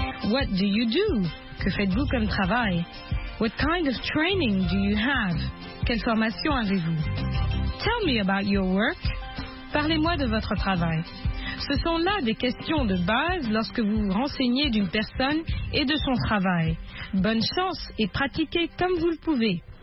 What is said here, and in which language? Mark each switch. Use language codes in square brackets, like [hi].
[en] What do you do? [fr] Que faites-vous comme travail? [en] What kind of training do you have? [fr] Quelle formation avez-vous? [en] Tell me about your work. [fr] Parlez-moi de votre travail. Ce sont là des questions de base lorsque vous vous renseignez d'une personne et de son travail. Bonne chance et pratiquez comme vous le pouvez.